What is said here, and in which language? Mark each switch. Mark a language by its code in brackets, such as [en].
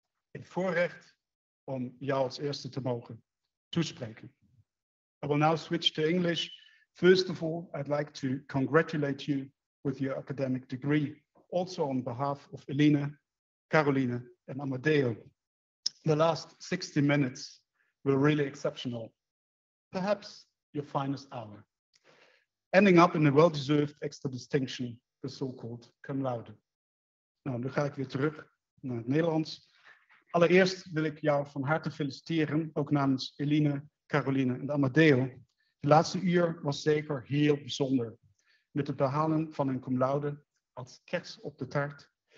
[nl] Het voorrecht om jou als eerste te mogen toespreken. [en] I will now switch to English. First of all, I'd like to congratulate you with your academic degree. Also on behalf of Eline, Caroline and Amadeo. The last 60 minutes were really exceptional, perhaps your finest hour, ending up in a well-deserved extra distinction, the so-called cum laude. [nl] Nou, nu ga ik weer terug naar het Nederlands. Allereerst wil ik jou van harte feliciteren, ook namens Eline, Caroline en Amadeo. De laatste uur was zeker heel bijzonder, met het behalen van een cum laude als kers op de taart.